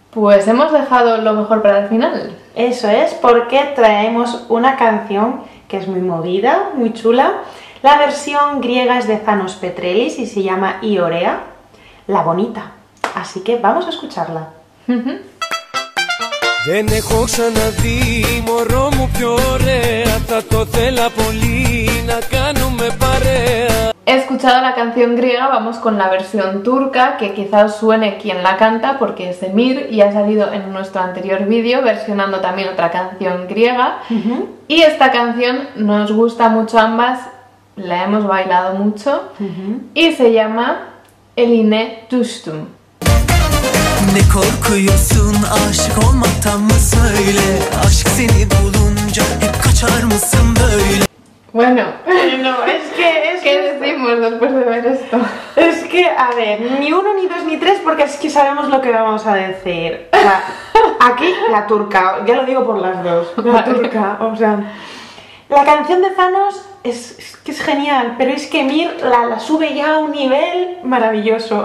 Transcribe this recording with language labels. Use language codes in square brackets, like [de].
[es] Pues hemos dejado lo mejor para el final. Eso es, porque traemos una canción que es muy movida, muy chula. La versión griega es de Thanos Petrelis y se llama Iorea, la bonita. Así que vamos a escucharla. [el] Δεν έχω ξαναδεί μωρό μου πιο ωραία, θα το θέλα πολύ να κάνουμε παρέα. [es] He escuchado la canción griega, vamos con la versión turca, que quizás suene quien la canta porque es Emir y ha salido en nuestro anterior vídeo versionando también otra canción griega. Y esta canción nos gusta mucho a ambas, la hemos bailado mucho y se llama Eline Düştüm. [tr] Ne korkuyorsun aşık olmaktan mı söyle, aşk seni bulunca hep kaçar mısın böyle. [es] Bueno, no, es que decimos después de ver esto. Es que, a ver, ni uno, ni dos, ni tres, porque es que sabemos lo que vamos a decir. O sea, aquí la turca, ya lo digo por las dos. La turca, o sea. La canción de Thanos es que es genial, pero es que Mir la sube ya a un nivel maravilloso.